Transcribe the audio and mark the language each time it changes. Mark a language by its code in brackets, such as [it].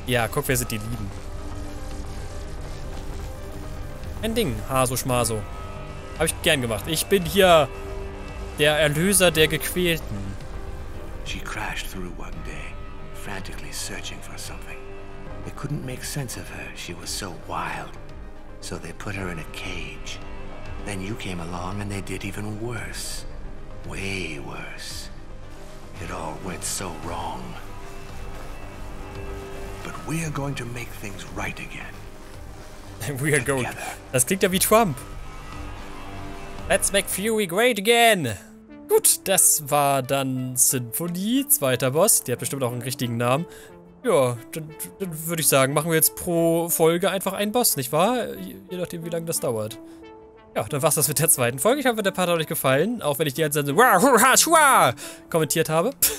[de] Ja, guck, wer sind die Lieben. Ein Ding, Haso Schmaso. Habe ich gern gemacht. Ich bin hier der Erlöser der Gequälten. [en] She crashed through one day, frantically searching for something. They couldn't make sense of her. She was so wild. So they put her in a cage. Then you came along and they did even worse. Way worse. It all went so wrong. But we are going to make things right again. We are going. [de] Das klingt ja wie Trump. [en] Let's make Fury great again! [de] Gut, das war dann Symphony, zweiter Boss. Die hat bestimmt auch einen richtigen Namen. Ja, dann würde ich sagen, machen wir jetzt pro Folge einfach einen Boss, nicht wahr? Je nachdem, wie lange das dauert. Ja, dann war's das mit der zweiten Folge. Ich hoffe, der Part hat euch gefallen. Auch wenn ich die ganze Zeit so kommentiert habe.